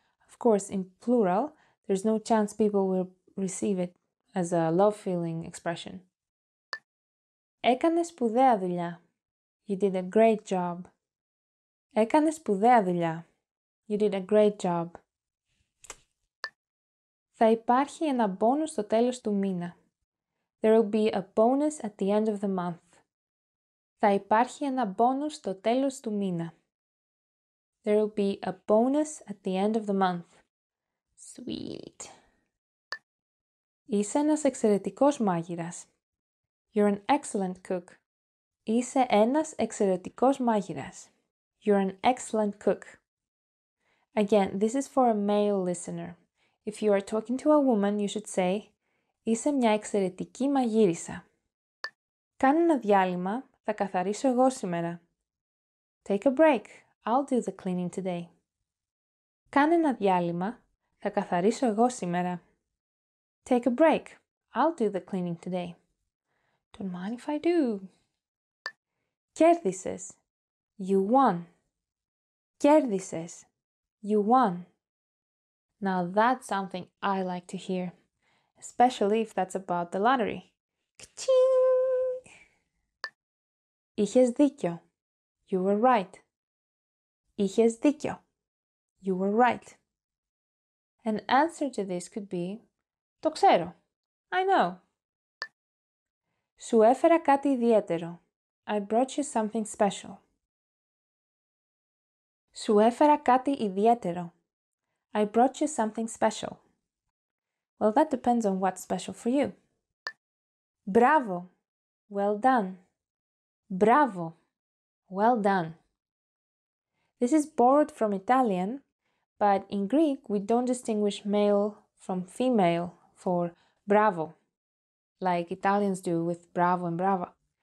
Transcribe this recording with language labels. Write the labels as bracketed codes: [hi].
[en] Of course, in plural, there's no chance people will receive it as a love feeling expression. [el] Έκανες σπουδαία δουλειά. [en] You did a great job. [el] Έκανες σπουδαία δουλειά. [en] You did a great job. [el] Θα υπάρχει ένα bonus στο τέλος του μήνα. [en] There will be a bonus at the end of the month. [el] Θα υπάρχει ένα bonus στο τέλος του μήνα. [en] There will be a bonus at the end of the month. Sweet. [el] Είσαι ένας εξαιρετικός μάγειρας. [en] You're an excellent cook. [el] Είσαι ένας εξαιρετικός μάγειρας. [en] You're an excellent cook. Again, this is for a male listener. If you are talking to a woman, you should say, [el] Είσαι μια εξαιρετική μαγείρισα. Κάνε ένα διάλειμμα, θα καθαρίσω εγώ σήμερα. [en] Take a break, I'll do the cleaning today. [el] Κάνε ένα διάλειμμα, θα καθαρίσω εγώ σήμερα. [en] Take a break, I'll do the cleaning today. Don't mind if I do. [el] Κέρδισες. [en] You won. Κέρδισες. You won. Now that's something I like to hear, especially if that's about the lottery. Ka-ching! [el] Είχες δίκιο. [en] You were right. Είχες δίκιο. You were right. An answer to this could be, [el] Το ξέρω. [en] I know. [el] Σου έφερα κάτι ιδιαίτερο. [en] I brought you something special. [el] Σου έφερα κάτι ιδιαίτερο. [en] I brought you something special. Well, that depends on what's special for you. Bravo. Well done. Bravo. Well done. This is borrowed from Italian, but in Greek we don't distinguish male from female for bravo, like Italians do with bravo and brava.